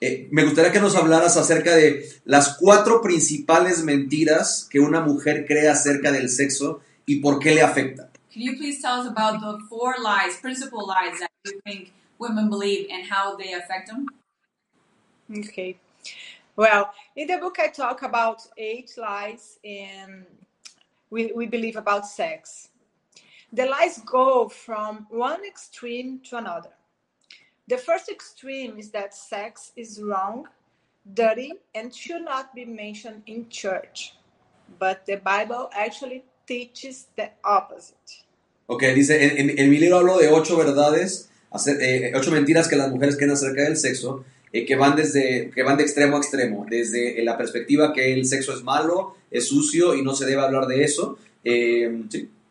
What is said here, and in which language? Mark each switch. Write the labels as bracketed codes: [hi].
[es] Me gustaría que nos hablaras acerca de las cuatro principales mentiras que una mujer cree acerca del sexo y por qué le afecta. [en] Can you please tell us about the four lies, principal lies that you think women believe and how they affect them? Okay. Well, in the book I talk about 8 lies and we believe about sex. The lies go from one extreme to another. The first extreme is that sex is wrong, dirty, and should not be mentioned in church. But the Bible actually teaches the opposite. [es] Okay, dice, en mi libro hablo de 8 verdades, 8 mentiras que las mujeres creen acerca del sexo. que van de extremo a extremo, desde la perspectiva que el sexo es malo, es sucio y no se debe hablar de eso. Sí.